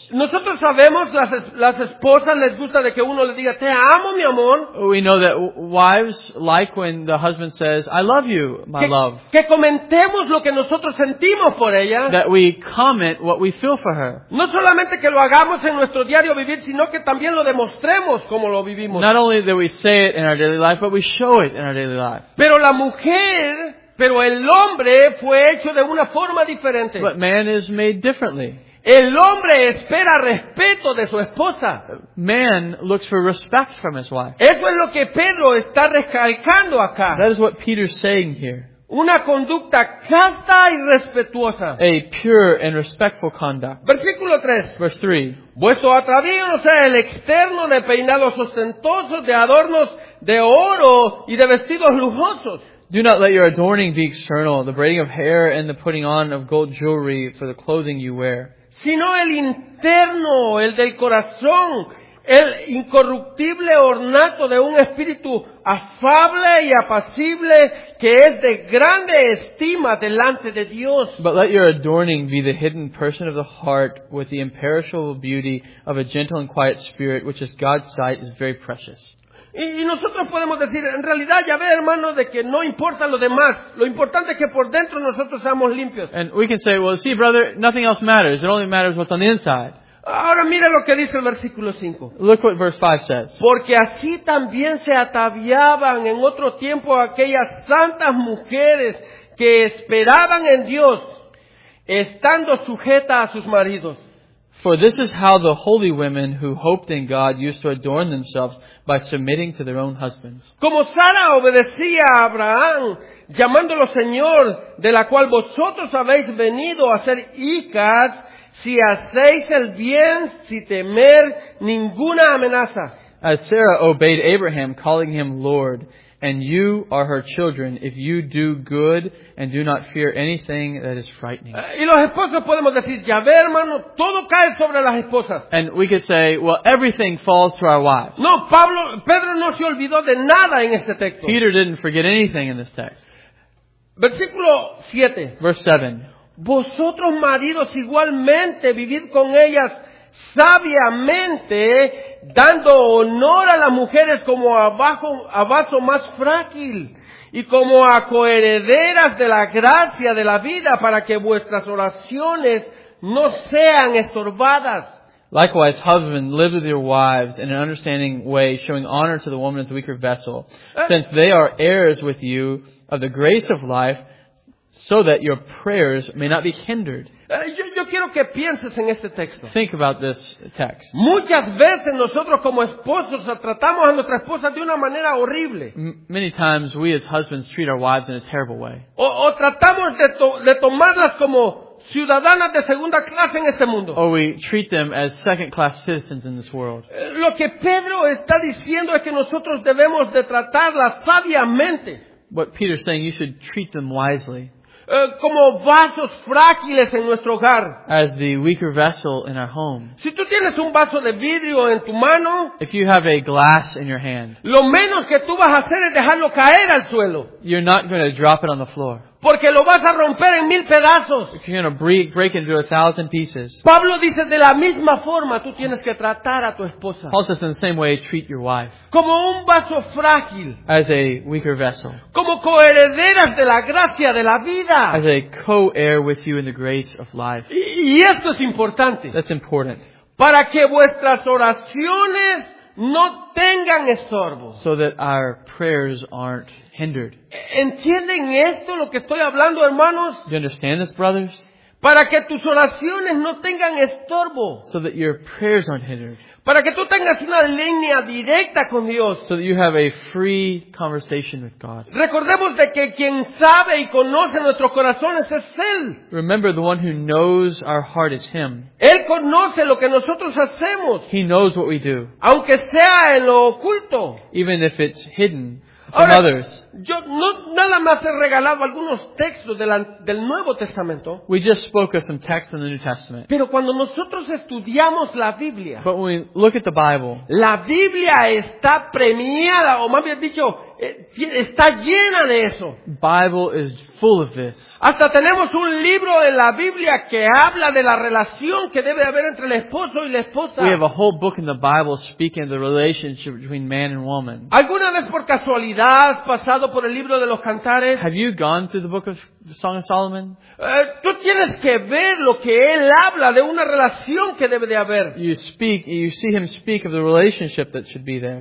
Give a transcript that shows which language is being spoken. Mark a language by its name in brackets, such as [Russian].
[Spanish] Nosotros sabemos las esposas les gusta de que uno le diga te amo, mi amor. [English] We know that wives like when the husband says I love you, my love. [Spanish] Que comentemos lo que nosotros sentimos por ella. [English] That we comment what we feel for her. [Spanish] No solamente que lo hagamos en nuestro diario vivir, sino que también lo demostremos como lo vivimos. [English] Not only that we say it in our daily life, but we show it in our daily life. [Spanish] Pero la mujer, pero el hombre fue hecho de una forma diferente. [English] But man is made differently. [Spanish] El hombre espera respeto de su esposa. [English] Man looks for respect from his wife. [Spanish] Eso es lo que Pedro está recalcando acá. [English] That is what Peter's saying here. [Spanish] Una conducta casta y respetuosa. [English] A pure and respectful conduct. [Spanish] Versículo 3. [English] Verse 3. [Spanish] Vuestro atavío no sea el externo de peinados ostentosos, de adornos de oro y de vestidos lujosos. [English] Do not let your adorning be external, the braiding of hair and the putting on of gold jewelry for the clothing you wear. [Spanish] Sino el interno, el del corazón, el incorruptible ornato de un espíritu afable y apacible que es de grande estima delante de Dios. [English] But let your adorning be the hidden person of the heart with the imperishable beauty of a gentle and quiet spirit which is God's sight is very precious. [Spanish] Y nosotros podemos decir, en realidad ya ve hermano, de que no importa lo demás, lo importante es que por dentro nosotros seamos limpios. [English] And we can say, well see brother, nothing else matters, it only matters what's on the inside. [Spanish] Ahora mira lo que dice el versículo 5. [English] Look what verse 5 says. [Spanish] Porque así también se ataviaban en otro tiempo aquellas santas mujeres que esperaban en Dios, estando sujetas a sus maridos. [English] For this is how the holy women who hoped in God used to adorn themselves by submitting to their own husbands. [Spanish] Como Sara obedecía a Abraham, llamándolo Señor, de la cual vosotros habéis venido a ser hijas, si hacéis el bien, si temer ninguna amenaza. [English] As Sarah obeyed Abraham, calling him Lord, and you are her children, if you do good and do not fear anything that is frightening. [Spanish] Y los esposos podemos decir, ya ve hermano, todo cae sobre las esposas. [English] And we could say, well, everything falls to our wives. [Spanish] No, Pablo, Pedro no se olvidó de nada en este texto. [English] Peter didn't forget anything in this text. [Spanish] Versículo 7. [English] Verse 7. [Spanish] Vosotros maridos igualmente vivid con ellas sabiamente, dando honor a las mujeres como a vaso más frágil y como a coherederas de la gracia de la vida para que vuestras oraciones no sean estorbadas. [English] Likewise, husband, live with your wives in an understanding way, showing honor to the woman as the weaker vessel, since they are heirs with you of the grace of life, so that your prayers may not be hindered. [Spanish] Yo quiero que pienses en este texto. [English] Think about this text. [Spanish] Muchas veces nosotros como esposos tratamos a nuestra esposa de una manera horrible. [English] Many times we as husbands treat our wives in a terrible way. [Spanish] O tratamos de tomarlas como ciudadanas de segunda clase en este mundo. [English] Or we treat them as second class citizens in this world. [Spanish] Lo que Pedro está diciendo es que nosotros debemos de tratarlas sabiamente. [English] What Peter's saying, you should treat them wisely. [Spanish] Como vasos frágiles en nuestro hogar. [English] As the weaker vessel in our home. [Spanish] Si tú tienes un vaso de vidrio en tu mano, [English] if you have a glass in your hand, [Spanish] lo menos que tú vas a hacer es dejarlo caer al suelo. [English] You're not going to drop it on the floor. [Spanish] Porque lo vas a romper en mil pedazos. [English] You're going to break into a thousand pieces. [Spanish] Pablo dice, de la misma forma tú tienes que tratar a tu esposa. [English] Paul says, in the same way, treat your wife. [Spanish] Como un vaso frágil. [English] As a weaker vessel. [Spanish] Como coherederas de la gracia de la vida. [English] As a co-heir with you in the grace of life. [Spanish] Y esto es importante. [English] That's important. [Spanish] Para que vuestras oraciones no tengan estorbo. [English] So that our prayers aren't hindered. [Spanish] ¿Entienden esto lo que estoy hablando, hermanos? [English] You understand this, brothers? [Spanish] Para que tus oraciones no tengan estorbo. [English] So that your prayers aren't hindered. [Spanish] Para que tú tengas una línea directa con Dios. [English] So that you have a free conversation with God. [Spanish] Recordemos de que quien sabe y conoce nuestros corazones es Él. [English] Remember, the one who knows our heart is Him. [Spanish] Él conoce lo que nosotros hacemos. [English] He knows what we do. [Spanish] Aunque sea en lo oculto. [English] Even if it's hidden. [Spanish] Ahora, [English] others. [Spanish] Yo no nada más he regalado algunos textos del Nuevo Testamento. [English] We just spoke of some texts in the New Testament. [Spanish] Pero cuando nosotros estudiamos la Biblia, [English] but when we look at the Bible, [Spanish] la Biblia está premiada, o más bien dicho, está llena de eso. [English] Bible is full of this. [Spanish] Hasta tenemos un libro en la Biblia que habla de la relación que debe haber entre el esposo y la esposa. [English] We have a whole book in the Bible speaking of the relationship between man and woman. [Spanish] ¿Alguna vez por casualidad has pasado por el libro de los Cantares? [English] Have you gone through the book of Song of Solomon? [Spanish] Tú tienes que ver lo que él habla de una relación que debe de haber. [English] You see him speak of the relationship that should be there.